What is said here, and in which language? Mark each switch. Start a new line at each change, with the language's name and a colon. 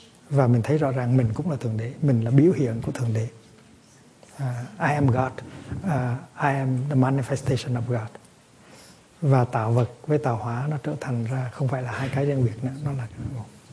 Vietnamese: Và mình thấy rõ ràng mình cũng là Thượng Đế, mình là biểu hiện của Thượng Đế.
English: I am God, I am the manifestation of God.
Vietnamese: Và tạo vật với tạo hóa nó trở thành ra không phải là hai cái riêng biệt nữa, nó là một.